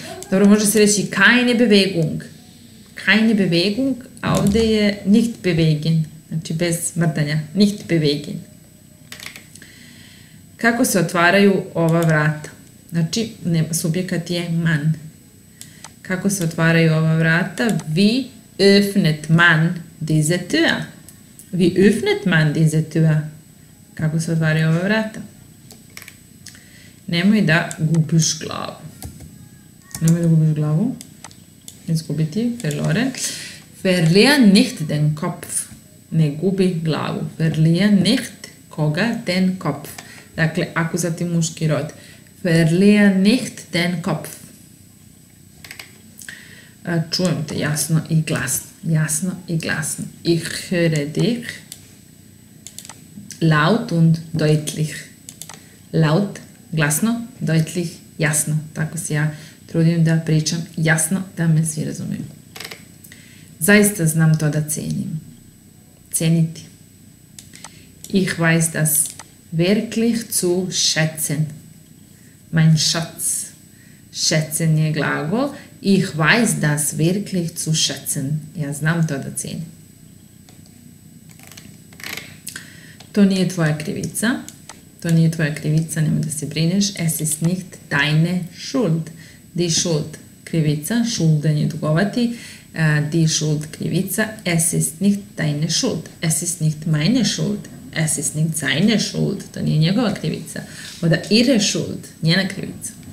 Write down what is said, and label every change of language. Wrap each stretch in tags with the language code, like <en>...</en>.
<sr>Dobro, može se reći</sr> <de>keine Bewegung. Keine Bewegung,</de> <sr>a ovdje je</sr> <de>nicht bewegen.</de> <sr>Znači, bez mrdanja.</sr> <de>Nicht bewegen.</de> <sr>Kako se otvaraju ova vrata? Znači, subjekat je man. Kako se otvaraju ova vrata?</sr> <de>Wie öffnet man diese Tür? Wie öffnet man diese Tür?</de> <sr>Kako se otvaraju ova vrata? Nemoj da gubiš glavu. Nemoj da gubiš glavu. Izgubiti, verloren.</sr> <de>Verlieren nicht den Kopf.</de> <sr>Ne gubi glavu.</sr> <de>Verlieren nicht</de> <sr>koga</sr> <de>den Kopf.</de> <sr>Dakle, akuzativ muški rod.</sr> <de>Verlieren nicht den Kopf.</de> <sr>Čujem te jasno i glasno. Jasno i glasno.</sr> <de>Ich höre dich laut und deutlich. Laut, glasno, deutlich, jasno.</de> <sr>Tako se ja trudim da pričam jasno, da me svi razumiju. Zaista znam to da cenim. Ceniti.</sr> <de>Ich weiß das wirklich zu schätzen. Mein Schatz. Schätzen</de> <sr>je glagol.</sr> <de>Ich weiß das wirklich zu schätzen.</de> <sr>Ja znam to da cenim. To nije tvoja krivica. To nije tvoja krivica, nemoj da se brineš.</sr> <de>Es ist nicht deine Schuld. Die Schuld. Krivica. Schulden</de> <sr>je dugovati.</sr> <de>Die Schuld, krivica, es ist nicht deine Schuld, es ist nicht meine Schuld, es ist nicht seine Schuld,</de> <sr>to nije njegova krivica,</sr> <de>oda ihre Schuld,</de> <sr>njena krivica.</sr>